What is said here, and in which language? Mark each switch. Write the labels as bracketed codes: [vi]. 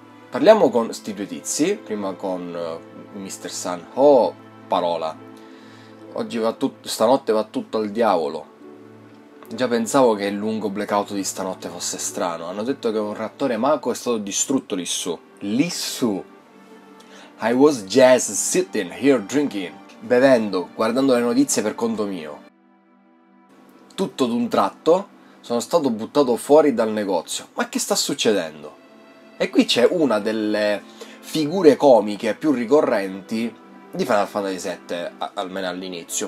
[it] Parliamo con sti due tizi, prima con Mr. Sun. Oh, parola. Oggi va tutto, stanotte va tutto al diavolo. Già pensavo che il lungo blackout di stanotte fosse strano. Hanno detto che un reattore Mako è stato distrutto lì su. Lì su. [en] I was just sitting here drinking. [it] Bevendo, guardando le notizie per conto mio. Tutto d'un tratto sono stato buttato fuori dal negozio. Ma che sta succedendo? E qui c'è una delle figure comiche più ricorrenti di Final Fantasy VII, almeno all'inizio.